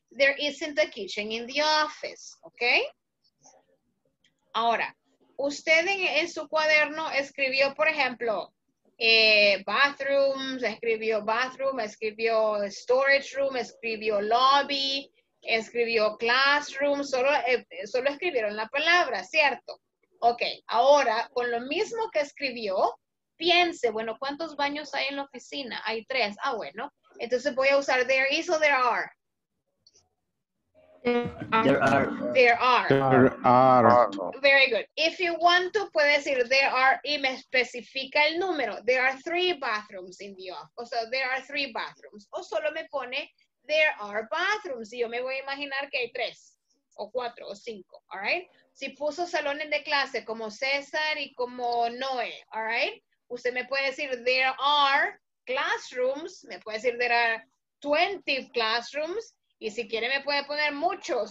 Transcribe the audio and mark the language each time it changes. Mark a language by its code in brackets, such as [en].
[en] There isn't a kitchen in the office, ¿ok? [es] Ahora, usted en su cuaderno escribió, por ejemplo, bathroom, escribió storage room, escribió lobby, escribió classroom, solo escribieron la palabra, ¿cierto? Ok, ahora, con lo mismo que escribió, piense, bueno, ¿cuántos baños hay en la oficina? Hay tres. Ah, bueno. Entonces voy a usar there is o there are. [en] There are. Very good. If you want to, [es] puede decir [en] there are [es] y me especifica el número. [en] There are three bathrooms in the office. [es] O sea, [en] there are three bathrooms. [es] O solo me pone [en] there are bathrooms. [es] Y yo me voy a imaginar que hay tres o cuatro o cinco. All right. Si puso salones de clase como César y como Noé. [en] All right. [es] Usted me puede decir, [en] there are classrooms. [es] Me puede decir, [en] there are 20 classrooms. [es] Y si quiere, me puede poner muchos.